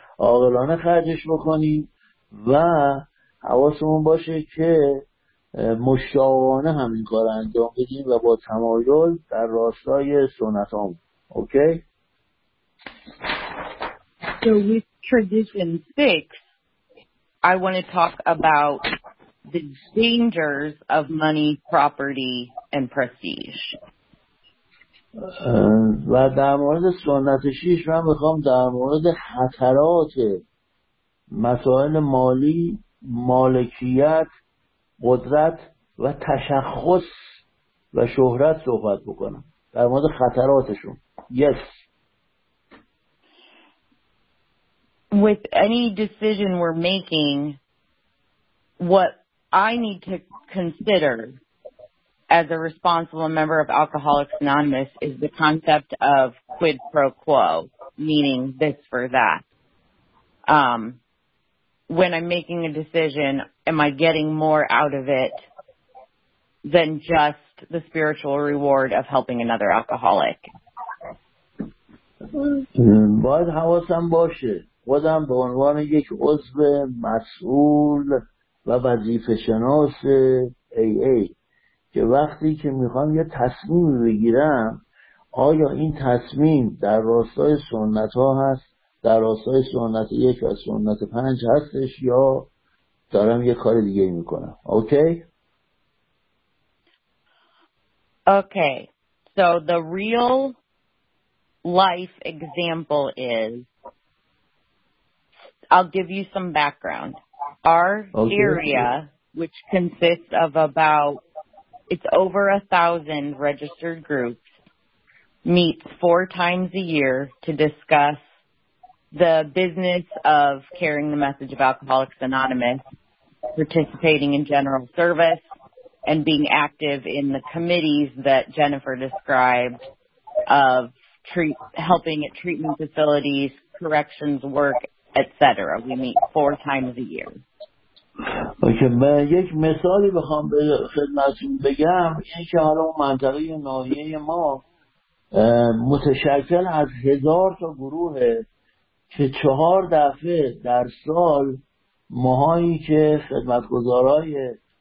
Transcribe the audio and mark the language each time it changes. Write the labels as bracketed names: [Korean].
[Persian] عاقلانه خرجش بکنیم و حواسمون باشه که مشتاقانه همین کار انجام بدیم و با تمایل در راستای سنت هم. [English] Okay? So with tradition six, I want to talk about the dangers of money, property, and prestige. [Persian] و در مورد سنت شیش من میخوام در مورد خطرات مسائل مالی، مالکیت، قدرت و تشخص و شهرت صحبت بکنم، در مورد خطراتشون. [English] Yes. With any decision we're making, what I need to consider as a responsible member of Alcoholics Anonymous is the concept of quid pro quo, meaning this for that. When I'm making a decision, am I getting more out of it than just the spiritual reward of helping another alcoholic? [Persian] باید حواسم باشه خودم به عنوان یک عضو مسئول و وظیفه شناس AA که وقتی که میخوام یه تصمیم بگیرم آیا این تصمیم در راستای سنت ها هست، در راستای سنت یک و سنت پنج هستش، یا دارم یه کار دیگه میکنم. اوکی؟ اوکی. [English] So the real life example is, I'll give you some background. Our area, which consists of about, it's over 1,000 registered groups, meets four times a year to discuss the business of carrying the message of Alcoholics Anonymous, participating in general service, and being active in the committees that Jennifer described of helping at treatment facilities, corrections work, et cetera. We meet four times a year. [Persian] باشه به یک مثالی بخوام به خدمتون بگم، این که حالا اون منطقه ناحیه ما متشکل از 1000 گروه که 4 دفعه در سال ماهایی که خدمتگزارای